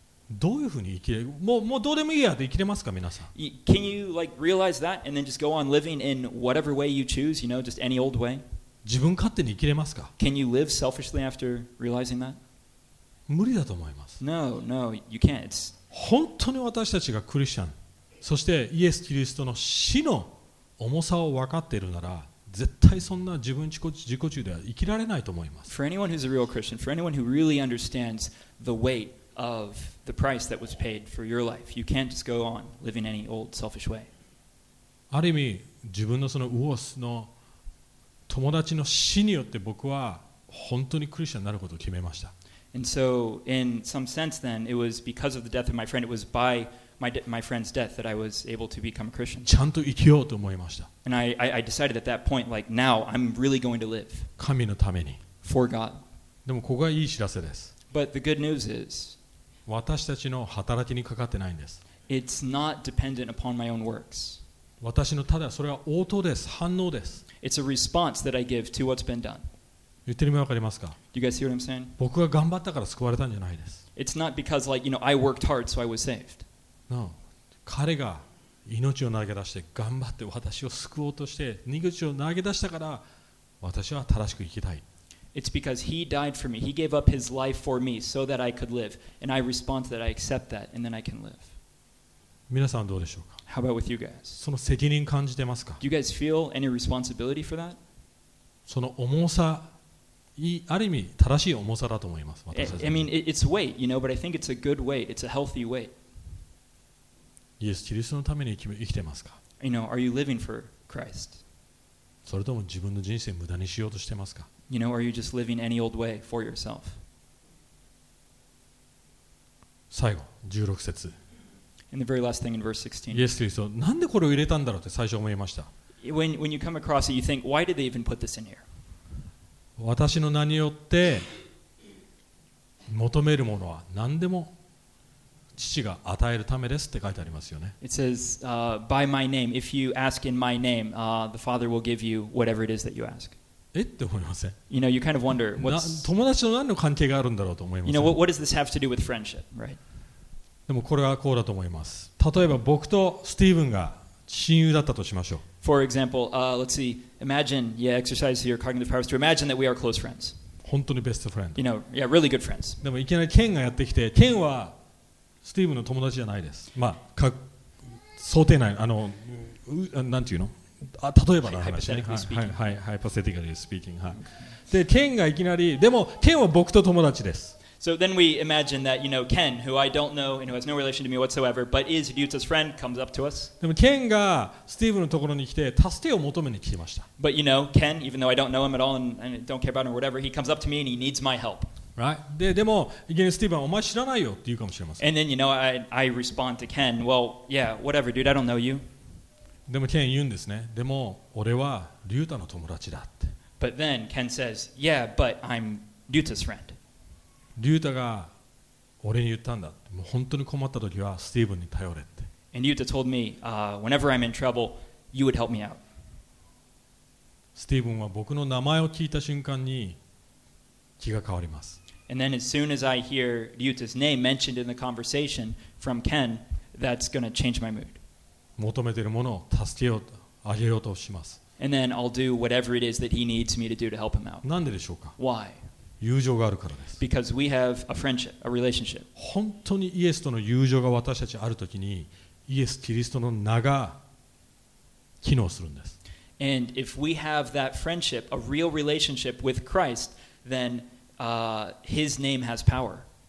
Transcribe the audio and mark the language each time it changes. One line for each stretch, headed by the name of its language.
Japanese: どういうふうに生きれ、もうどうでもいいやって生きれますか、皆さん。
English: Can you like realize that and then just go on living in whatever way you choose, you know, just any old way?
Japanese: 自分勝手に生きれますか。
English: Can you live selfishly after realizing that?
Japanese: 無理だと思います。
English: No, you can't.
Japanese: 本当に私たちがクリスチャン、そしてイエス・キリストの死の重さを分かっているなら、絶対そんな自分自己中では生きられないと思います。
English: For anyone who's a real Christian, for anyone who really understands the weight of the price that was paid for your life, you can't just go on living any old selfish way.
Japanese: ある意味、自分のそのウォースの友達の死によって僕は本当にクリスチャンになることを決めました。
English: And so, in some sense then, it was because of the death of my friend, it was byMy friend's death that I was able to become a Christian.
Japanese: ちゃんと生きようと思いました。
English: And I decided at that point, like now, I'm really going to live.
Japanese: 神のために。
English: For God.
Japanese: でもここがいい知らせです。
English: But the good news is,
Japanese: 私たちの働きにかかってないんです。
English: It's not dependent upon my own works.
Japanese: 私のただそれは応答です。反応です。
English: It's a response that I give to what's been done.
Japanese: 言ってる意味わかりますか?
English: Do you guys hear what I'm saying?
Japanese: 僕が頑張ったから救われたんじゃないです。
English: It's not because like, you know, I worked hard so I was saved. No.
Japanese: 彼が命を投げ出して頑張って私を救おうとして逃げ口を投げ出したから私は正しく生きたい。
English: It's because he died for me. He gave up his life for me so that I could live. And I respond to that. I accept that. And then I can live.
Japanese: 皆さんどうでしょうか?
English: How about with you guys?
Japanese: その責任感じてますか?
English: Do you guys feel any responsibility for that?
Japanese: その重さ、ある意味正しい重さだと思います。私たち。
English: I mean, it's weight, you know, but I think it's a good weight. It's a healthy weight.
Japanese: イエス・キリストのために生きてますか?
English: You know, are you living for Christ?
Japanese: それとも自分の人生を無駄にしようとしてますか?
English: You know, are you just living any old way for yourself?
Japanese: 最後、十六節。
English: In the very last thing in verse 16.
Japanese: イエス・キリスト、なんでこれを入れたんだろうって最初思いました。
English: When you come across it, you think, why did they even put this in here?
Japanese: 私の名によって求めるものは何でも父が与えるためですって書いてありますよね。
English: It says, by my name, if you ask in my name, the Father will give you whatever it is that you ask.
Japanese: えって思いません。
English: You know, you kind of wonder, what's...
Japanese: 友達と何の関係があるんだろうと思います。
English: You know, what does this have to do with friendship, right?
Japanese: でもこれはこうだと思います。例えば僕とスティーブンが親友だったとしましょう。
English: For example, let's see, imagine, yeah, exercise your cognitive powers to imagine that we are close friends.
Japanese: 本当にベストフレンド。
English: You know, yeah, really good friends.
Japanese: でもいきなりケンがやってきて、ケンはスティーブンの友達じゃないです。まあ、か想定内、なんていうの? 例えばの話ね。はい、ハイパセティカルスピーキング。で、ケンがいきなり、でも、ケンは僕と友達です。
English: So then we imagine that, you know, Ken, who I don't know and who has no relation to me whatsoever, but is Ryuta's friend, comes up to us.
Japanese: でも、ケンがスティーブのところに来て、助けを求めに来ました。
English: But you know, Ken, even though I don't know him at all and don't care about him or whatever, he comes up to me and he needs my help. Right?
Japanese: でも、いきなりスティーブは、お前知らないよって言うかもしれません。
English: And then, you know, I respond to Ken, well, yeah, whatever, dude, I don't know you.
Japanese: でもケン言うんですね。でも俺はリュータの友達だって。
English: But then Ken says, yeah, but I'm Ryuta's friend.
Japanese: リュータが俺に言ったんだ。もう本当に困った時はスティーブンに頼れって。
English: And Ryuta told me, whenever I'm in trouble, you would help me out.
Japanese: スティーブンは僕の名前を聞いた瞬間に気が変わります。
English: And then as soon as I hear Ryuta's name mentioned in the conversation from Ken, that's going to change my mood.
Japanese: 求めているものを助けようとあげようとします。
English: And then I'll do whatever it is that he needs me to do to help him out.
Japanese: なんででしょうか?
English: Why?
Japanese: 友情があるからです。
English: Because we have a friendship, a relationship.
Japanese: 本当にイエスとの友情が私たちあるときに、イエス・キリストの名が機能するんです。
English: And if we have that friendship, a real relationship with Christ, then his name has power.